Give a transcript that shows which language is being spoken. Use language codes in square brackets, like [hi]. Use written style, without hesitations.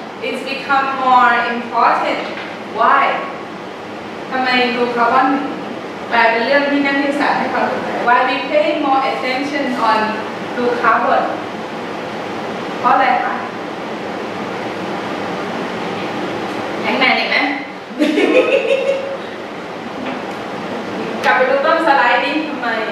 [en] It's become more important. Why? [th] ทำไม blue carbon แปลเป็นเรื่องที่นักวิจัยให้ความสนใจ [en] Why we pay more attention on blue carbon? [th] เพราะอะไรคะแข็งแรงอีกไหมกลับไปดูต้นสไลด์ดิทำไม